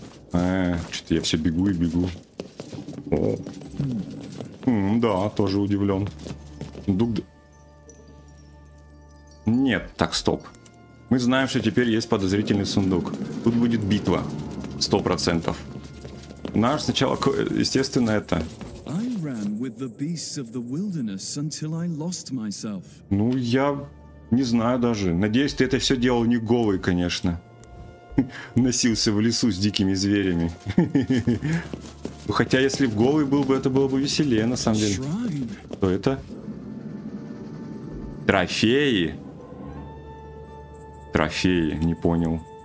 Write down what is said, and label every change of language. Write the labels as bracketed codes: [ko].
[ru] Что-то я все бегу и бегу. О. Да, тоже удивлен. Нет, так, стоп. Мы знаем, что теперь есть подозрительный сундук. Тут будет битва. 100%. Наш сначала, естественно, это. [en] I ran with the beasts of the wilderness until I lost myself. [ru] Ну, я не знаю даже. Надеюсь, ты это все делал не голый, конечно. Носился в лесу с дикими зверями. Хотя, если бы голый был бы, это было бы веселее, на самом деле. Что это? Трофеи. Трофеи, не понял.